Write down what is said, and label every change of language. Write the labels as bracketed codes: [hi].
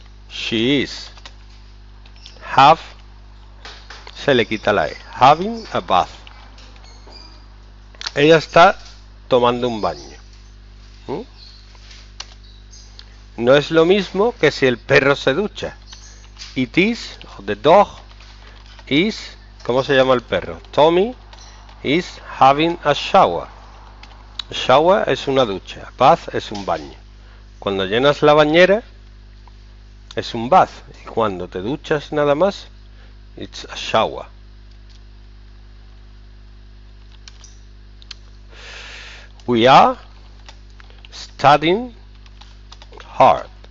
[en] She is half. [es] Se le quita la E. [en] Having a bath. [es] Ella está tomando un baño. No es lo mismo que si el perro se ducha. [en] It is, the dog is, [es] ¿cómo se llama el perro? [en] Tommy is having a shower. [es] Shower es una ducha. Bath es un baño. Cuando llenas la bañera, es un bath. Y cuando te duchas nada más, [en] it's a shower. We are studying hard.